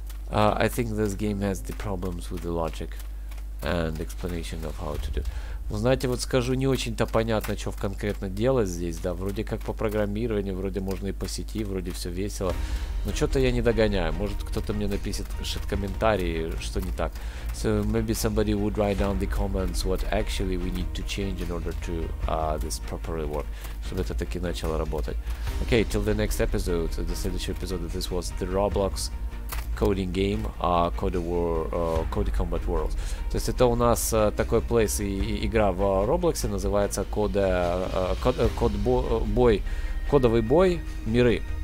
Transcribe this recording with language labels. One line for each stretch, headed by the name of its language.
English: I think this game has the problems with the logic and explanation of how to do.
Russian: Ну, знаете, вот скажу, не очень-то понятно, что конкретно делать здесь, да. Вроде как по программированию, вроде можно и по сети, вроде все весело. Но что-то я не догоняю. Может, кто-то мне напишет комментарии, что не так.
English: So, maybe somebody would write down the comments what actually we need to change in order to this properly work.
Russian: Чтобы это таки начало работать.
English: Okay, till the next episode.
Russian: До следующего эпизода.
English: This was the Roblox coding game, Code Combat Worlds.
Russian: То есть это у нас такой плейс и игра в Roblox, называется кодовый бой миры.